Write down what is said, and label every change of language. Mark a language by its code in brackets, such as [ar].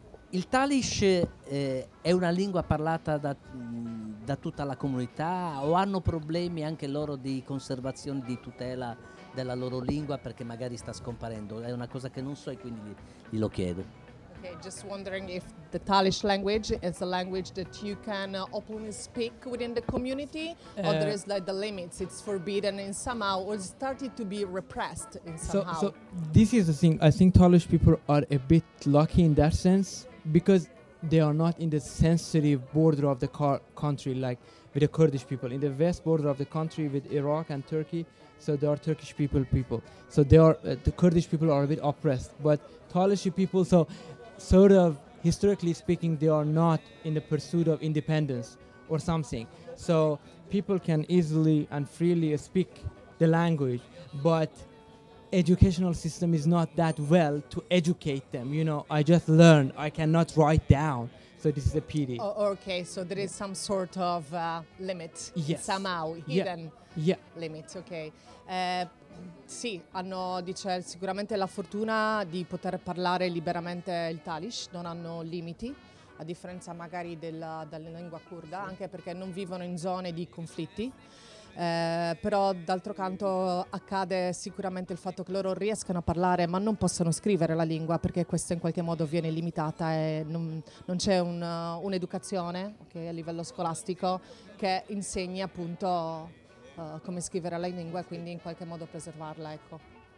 [it] Il Talish è una lingua parlata da tutta la comunità o hanno problemi anche loro di conservazione, di tutela della loro lingua perché magari sta scomparendo? È una cosa che non so e quindi glielo chiedo. [en] Okay, just wondering if the Talish language is a language that you can openly speak within the community or there is like the limits, it's forbidden in somehow or started to be repressed in somehow. So this is the thing, I think Talish people are a bit lucky in that sense, because they are not in the sensitive border of the country like with the Kurdish people. In the west border of the country with Iraq and Turkey, so there are Turkish people. So they are the Kurdish people are a bit oppressed. But Talish people, so sort of historically speaking, they are not in the pursuit of independence or something. So people can easily and freely speak the language, but educational system is not that well to educate them. You know, I just learned, I cannot write down, so this is a pity. Oh, okay, so there is some sort of limit, yes. Somehow hidden, yeah. Yeah. Limit, okay. [it] Sì, hanno, dice, sicuramente la fortuna di poter parlare liberamente il Talish, non hanno limiti, a differenza magari della lingua curda, sì. Anche perché non vivono in zone di conflitti. Però d'altro canto accade sicuramente il fatto che loro riescano a parlare ma non possano scrivere la lingua, perché questa in qualche modo viene limitata e non c'è un'educazione, okay, a livello scolastico che insegni appunto come scrivere la lingua e quindi in qualche modo preservarla, ecco.